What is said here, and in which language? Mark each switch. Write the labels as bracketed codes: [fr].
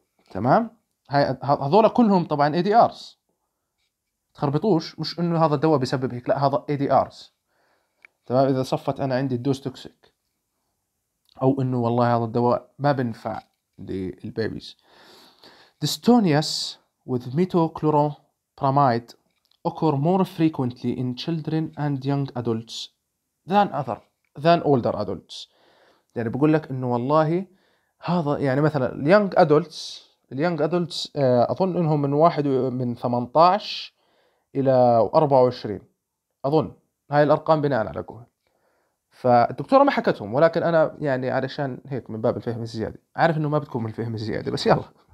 [ar] تمام، هذول كلهم طبعا اي دي ارز، تخربطوش، مش انه هذا الدواء بيسبب هيك، لا هذا اي دي ارز. تمام، اذا صفت انا عندي الدوز توكسيك، او انه والله هذا الدواء ما بنفع للبيبيز. [en] dystonias with methylchloropyrimide occur more frequently in children and young adults than older adults. [ar] يعني بقول لك انه والله هذا، يعني مثلا [en] young adults [ar] اظن انهم من 18 الى 24 اظن، هاي الارقام بناء على جوجل، فالدكتورة ما حكتهم، ولكن أنا يعني علشان هيك من باب الفهم الزيادة، عارف إنه ما بتكون من الفهم الزيادة بس يلا.